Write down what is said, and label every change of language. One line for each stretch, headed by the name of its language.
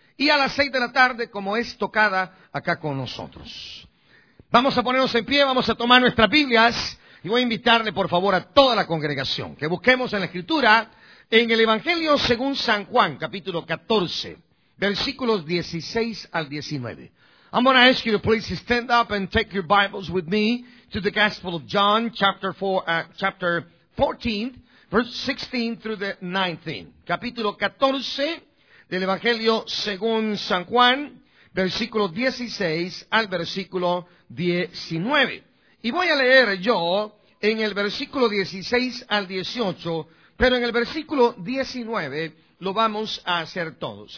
Spanish: Y a las 6 de la tarde, como es tocada acá con nosotros. Vamos a ponernos en pie, vamos a tomar nuestras Biblias. Y voy a invitarle, por favor, a toda la congregación que busquemos en la Escritura, en el Evangelio según San Juan, capítulo 14, versículos 16 al 19.
English: I'm going to ask you to please stand up and take your Bibles with me to the Gospel of John, chapter 14, verse 16 through the 19.
Spanish: Capítulo 14 del Evangelio según San Juan, versículo 16 al versículo 19. Y voy a leer yo en el versículo 16 al 18, pero en el versículo 19 lo vamos a hacer todos.